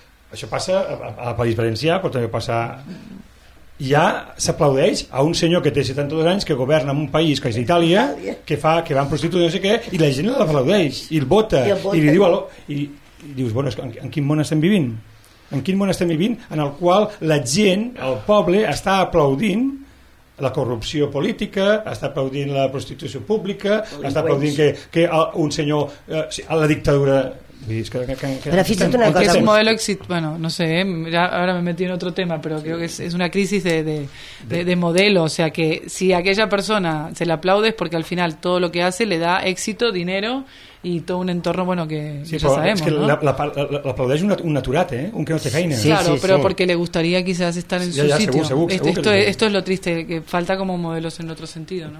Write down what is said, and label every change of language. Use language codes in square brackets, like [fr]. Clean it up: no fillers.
[ca] Això passa a País Valencià, però també passa... Ja s'aplaudeix a un senyor que té 72 anys que governa en un país que és Itàlia, que fa que va en prostitució no sé què, i la gent l'aplaudeix i el vota i li diu allò, i dius, bueno, en quin món estem vivint? En quin món estem vivint en el qual la gent, el poble, està aplaudint la corrupció política, està aplaudint la prostitució pública, està aplaudint que un senyor a la dictadura... Però fíjate una cosa, és un model exit, [es] bueno, no sé, ya ahora me metí en otro tema, pero creo que es una crisis de modelo, o sea que si a aquella persona se le aplaude es porque al final todo lo que hace le da éxito, dinero y todo un entorno bueno que, sí, que ya sabemos, es que ¿no? [ca] la aplaudeix un naturat, un que no té feina. [es] Sí, claro, sí, pero sí. Porque le gustaría quizás estar en su sitio. Esto es lo triste, que falta como modelos en otro sentido, ¿no?